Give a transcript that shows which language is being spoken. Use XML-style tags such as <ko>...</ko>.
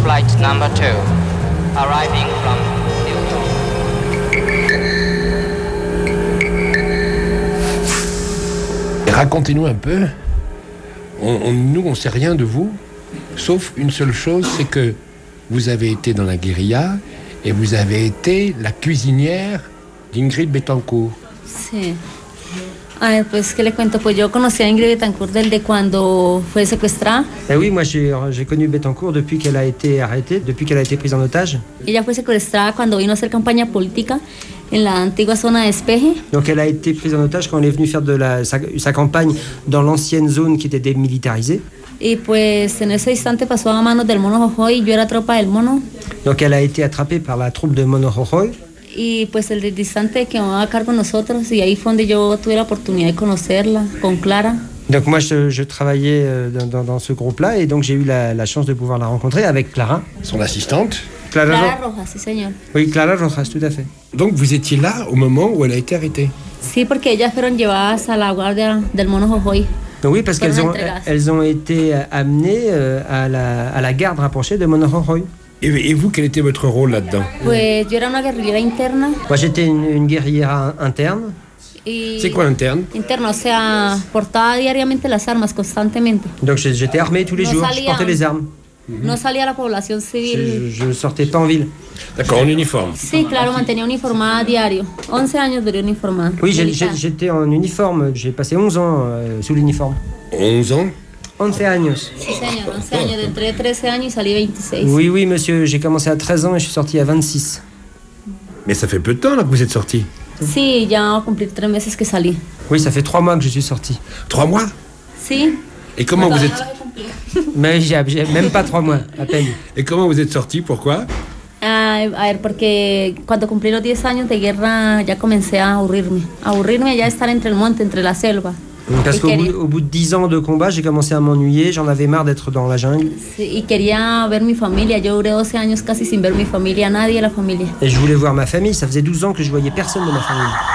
<en>Flight number 2, arriving from Kyoto.</en> <fr>Et racontez-nous un peu. Nous, on ne sait rien de vous, sauf une seule chose, c'est que vous avez été dans la guérilla et vous avez été la cuisinière d'Ingrid Betancourt.</fr> <es>Si. Ah, pues, que le cuento, pues, yo conocí a Ingrid Betancourt desde cuando fue secuestrada.</es> <fr>Eh oui, moi, j'ai connu Betancourt depuis qu'elle a été arrêtée, depuis qu'elle a été prise en otage.</fr> <es>Ella fue secuestrada cuando vino a hacer campaña política en la antigua zona de Espeje.</es> <fr>Donc, elle a été prise en otage quand elle est venue faire de sa campagne dans l'ancienne zone qui était démilitarisée.</fr> <es>Y, pues, en ese instante pasó a manos del Mono Jojoy, yo era tropa del Mono.</es> <fr>Donc, elle a été attrapée par la troupe de Mono Jojoy.</fr> <es>Y pues el distante que va a cargo nosotros y ahí fue donde yo tuve la oportunidad de conocerla con Clara.</es> <fr>Donc moi je travaillais dans ce groupe là et donc j'ai eu la chance de pouvoir la rencontrer avec Clara, son assistante.</fr> <es>Clara Rojas, sí, señor.</es> <fr>Oui, Clara Rojas, tout à fait. Donc vous étiez là au moment où elle a été arrêtée.</fr> <es>Sí, porque ellas fueron llevadas a la guardia del Mono Jojoy.</es> <fr>Donc oui, parce qu'elles ont</fr> <es>entregadas.</es> <fr>Elles ont été amenées à la garde rapprochée de Mono Jojoy. Et vous, quel était votre rôle là-dedans? Moi, j'étais une guerrière interne. C'est quoi interne? Interne, c'est portait</fr> <es>diariamente</es> <fr>les armes, constantement. Donc j'étais armé tous les jours, je portais les armes. Non,</fr> <es>salía</es> <fr>la population civile. Je ne sortais pas en ville. D'accord, en uniforme.</fr> <es>Sí, claro, mantenía uniformada diario. 11 años duré uniformada.</es> <fr>Oui, j'étais en uniforme, j'ai passé 11 ans sous l'uniforme. 11 ans?</fr> <es>11 años. Sí, señor, 11 años. Entré a 13 años y salí a 26.</es> <fr>Oui, oui, monsieur, j'ai commencé à 13 ans et je suis sorti à 26. Mais ça fait peu de temps là, que vous êtes sorti.</fr> <es>Sí, ya va a cumplir 3 meses que salí.</es> <fr>Oui, ça fait 3 mois que je suis sorti. 3 mois?</fr> <es>Sí.</es> <fr>Et comment vous êtes... Mais j'ai même pas 3 mois, à peine. Et comment vous êtes sorti? Pourquoi?</fr> <es>A ver, porque cuando cumplí los 10 años de guerra, ya comencé a aburrirme. Aburrirme ya estar entre el monte, entre la selva.</es> <fr>Parce qu'au bout de 10 ans de combat, j'ai commencé à m'ennuyer, j'en avais marre d'être dans la jungle. Et je voulais voir ma famille, ça faisait 12 ans que je ne voyais personne de ma famille.</fr>